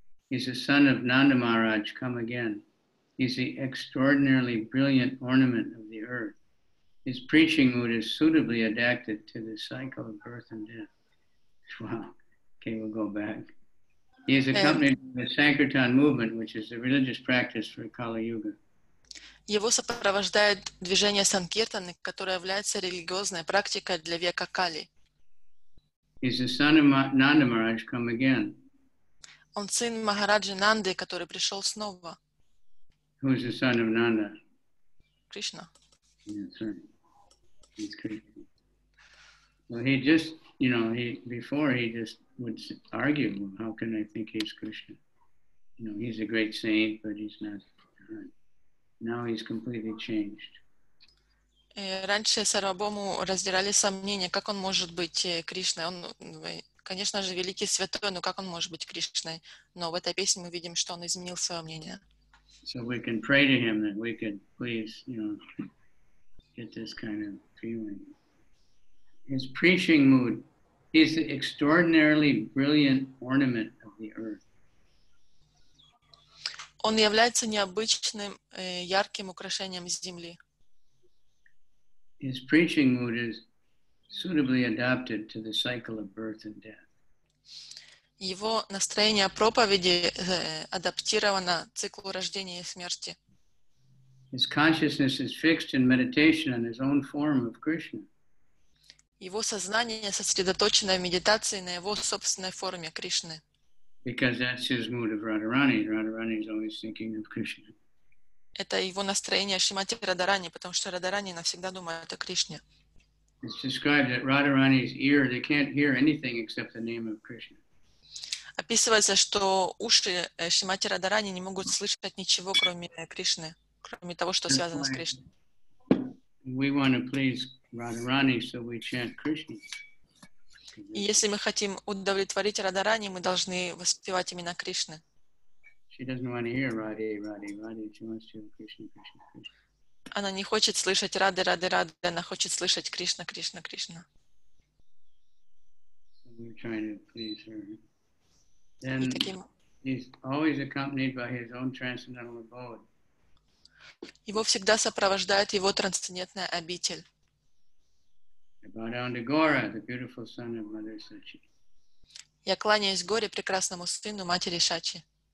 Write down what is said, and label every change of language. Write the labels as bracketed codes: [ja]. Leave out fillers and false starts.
[en] He's the son of Nanda Maharaj, come again. He's the extraordinarily brilliant ornament of the earth. His preaching mood is suitably adapted to the cycle of birth and death. Wow. Okay, we'll go back. He is accompanied by the Sankirtan movement, which is a religious practice for Kali Yuga. [ru] Его сопровождает движение Санкиртаны, которое является религиозной практикой для века Кали. [en] He's the son of Nanda Maharaj come again. [ru] Он сын Махараджи Нанды, который пришел снова. [en] Who is the son of Nanda? Krishna. Yes, right. He's Krishna. Well, he just, you know, he would argue, well, how can I think he's Krishna? You know, he's a great saint, but he's not. Now he's completely changed. [ru] Раньше Сарвабхауму раздирали сомнения, как он может быть Кришной. Он, конечно же, великий святой, но как он может быть Кришной? Но в этой песне мы видим, что он изменил свое мнение. [en] So we can pray to him that we could please, you know, get this kind of feeling. His preaching mood, he's the extraordinarily brilliant ornament of the earth. [ru] Он является необычным, ярким украшением земли. [en] His preaching mood is suitably adapted to the cycle of birth and death. [ru] Его настроение проповеди адаптировано циклу рождения и смерти. [en] His consciousness is fixed in meditation on his own form of Krishna. [ru] Его сознание сосредоточено в медитации на его собственной форме Кришны. [en] Because that's his mood of Radharani. Radharani is always thinking of Krishna. [ru] Это его настроение Шримати Радарани, потому что Радарани навсегда думает о Кришне. [en] It's described that Radharani's ear, they can't hear anything except the name of Krishna. [ru] Описывается, что уши Шримати Радарани не могут слышать ничего, кроме Кришны, кроме того, что связано с Кришной. [en] We want to please Radharani, so we chant Krishna. [ru] И если мы хотим удовлетворить Радарани, мы должны воспевать имена Кришны. [en] She doesn't want to hear Radhe, Radhe, Radhe. She wants to hear Krishna, Krishna, Krishna. [ru] Она не хочет слышать Радхе, Радхе, Радхе. Она хочет слышать Кришна, Кришна, Кришна. [en] So we're trying to please her. Then he's always accompanied by his own transcendental abode. [ru] Его всегда сопровождает его трансцендентная обитель. [en] I bow down to Gaura, the beautiful son of Mother Sachi. [ru] Я кланяюсь Горе, прекрасному сыну матери Шачи.